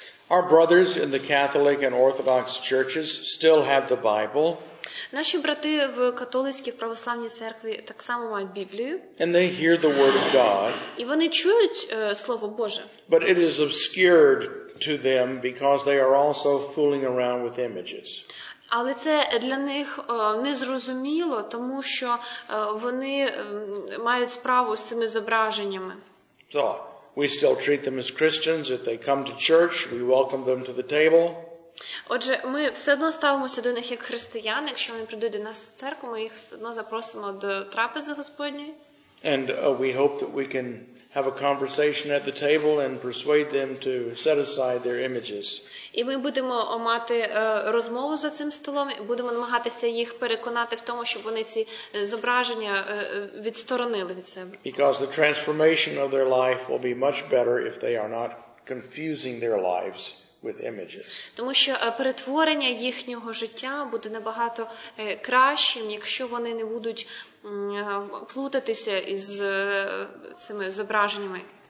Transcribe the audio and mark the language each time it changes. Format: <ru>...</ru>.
<en>Our brothers in the Catholic and Orthodox churches still have the Bible.</en> <uk>Наші брати в католицькій православній церкві так само мають Біблію.</uk> <en>And they hear the word of God.</en> <uk>І вони чують слово Боже.</uk> <en>But it is obscured to them because they are also fooling around with images.</en> <uk>Але це для них незрозуміло, тому що вони мають справу з цими зображеннями.</uk> <en>So, we still treat them as Christians. If they come to church, we welcome them to the table.</en> <uk>Отже, ми все одно ставимося до них як християн, якщо вони прийдуть до нас в церкву, ми їх все одно запросимо до трапези Господньої.</uk> <en>And we hope that we can have a conversation at the table and persuade them to set aside their images.</en> <uk>І ми будемо мати розмову за цим столом, і будемо намагатися їх переконати в тому, щоб вони ці зображення відсторонили від себе.</uk> <en>Because the transformation of their life will be much better if they are not confusing their lives with images.</en> <uk>Тому що перетворення їхнього життя буде набагато кращим, якщо вони не будуть плутатися із цими зображеннями.</uk>